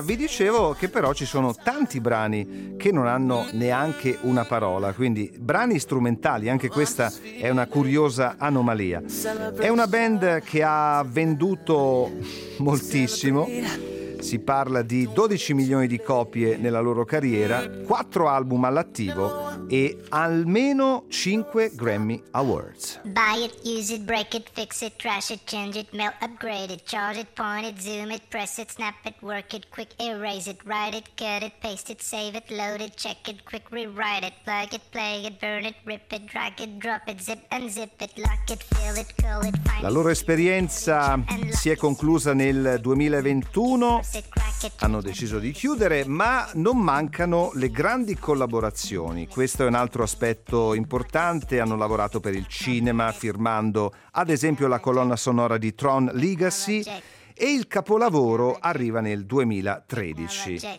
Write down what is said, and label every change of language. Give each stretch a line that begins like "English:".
Italian: Vi dicevo che però ci sono tanti brani che non hanno neanche una parola, quindi brani strumentali, anche questa è una curiosa anomalia. È una band che ha venduto moltissimo, si parla di 12 milioni di copie nella loro carriera, 4 album all'attivo e almeno 5 Grammy Awards.
English: Buy it, use it, break it, fix it, trash it, change it, melt, upgrade it, charge it, point it, zoom it, press it, snap it, work it, quick erase it, write it, cut it, paste it, save it, load it, check it, quick rewrite it, plug it, play it, burn it, rip it, drag it, drop it, zip and zip it, lock it, fill it, curl it.
Italian: La loro esperienza si è conclusa nel 2021. Hanno deciso di chiudere, ma non mancano le grandi collaborazioni. Questo è un altro aspetto importante. Hanno lavorato per il cinema, firmando ad esempio la colonna sonora di Tron Legacy, e il capolavoro arriva nel 2013.